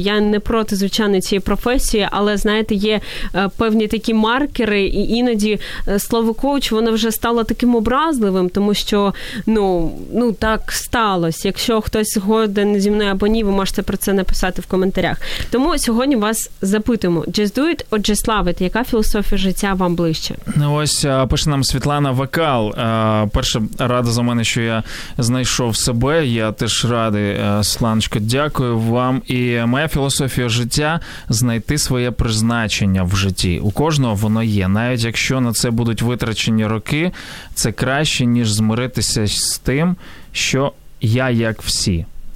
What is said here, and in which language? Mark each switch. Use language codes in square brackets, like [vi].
[uk] Я не проти, звичайно, цієї професії, але, знаєте, є певні такі маркери, і іноді слово коуч, воно вже стало таким образливим, тому що, ну, так сталося. Якщо хтось згоден зі мною або ні, ви можете про це написати в коментарях. Тому сьогодні вас запитуємо, [en] just do it or just love it? [uk] Яка філософія життя вам ближче? Ну, ось пише нам Світлана Вокал. Перша рада за мене, що я знайшов себе, я теж радий, Сланочко, дякую вам. І моя філософія життя – знайти своє призначення в житті. У кожного воно є. Навіть якщо на це будуть витрачені роки, це краще, ніж змиритися з тим, що я як всі.